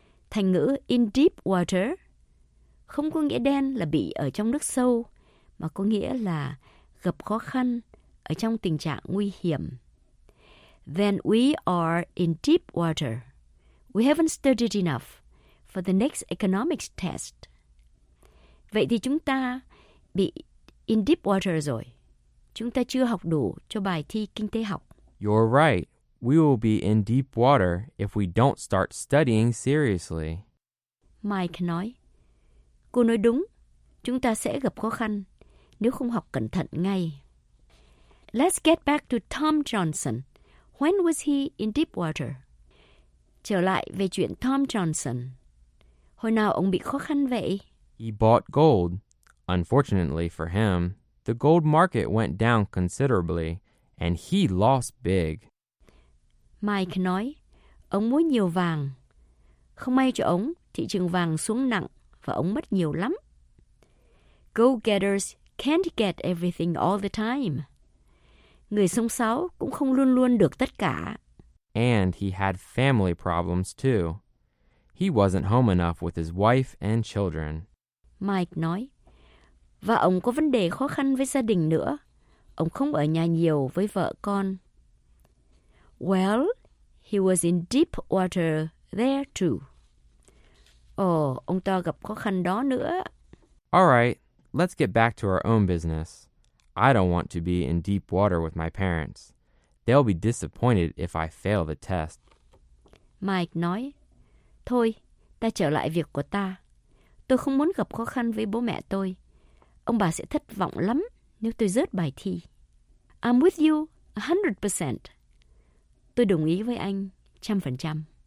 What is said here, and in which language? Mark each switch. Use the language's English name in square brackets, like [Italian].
[Vietnamese] Thành ngữ in deep water không có nghĩa đen là bị ở trong nước sâu, mà có nghĩa là gặp khó khăn, ở trong tình trạng nguy hiểm. [English] When we are in deep water, we haven't studied enough for the next economics test. [Vietnamese] Vậy thì chúng ta bị in deep water rồi. Chúng ta chưa học đủ cho bài thi kinh tế học. [English] You're right. We will be in deep water if we don't start studying seriously. [Vietnamese] Mike nói, cô nói đúng, chúng ta sẽ gặp khó khăn nếu không học cẩn thận ngay. [English] Let's get back to Tom Johnson. When was he in deep water? [Vietnamese] Trở lại về chuyện Tom Johnson. Hồi nào ông bị khó khăn vậy? [English] He bought gold. Unfortunately for him, the gold market went down considerably and he lost big. [Vietnamese] Mike nói, ông mua nhiều vàng. Không may cho ông, thị trường vàng xuống nặng và ông mất nhiều lắm. [English] Go-getters can't get everything all the time. [Vietnamese] Người xông xáo cũng không luôn luôn được tất cả. [English] And he had family problems too. He wasn't home enough with his wife and children. [Vietnamese] Mike nói, và ông có vấn đề khó khăn với gia đình nữa. Ông không ở nhà nhiều với vợ con. [English] Well, he was in deep water there too. [Vietnamese] Oh, ông ta gặp khó khăn đó nữa. [English] All right, let's get back to our own business. I don't want to be in deep water with my parents. They'll be disappointed if I fail the test. [Vietnamese] Mike nói, thôi, ta trở lại việc của ta. Tôi không muốn gặp khó khăn với bố mẹ tôi. Ông bà sẽ thất vọng lắm nếu tôi rớt bài thi. [English] I'm with you 100%. [Vietnamese] Tôi đồng ý với anh 100%.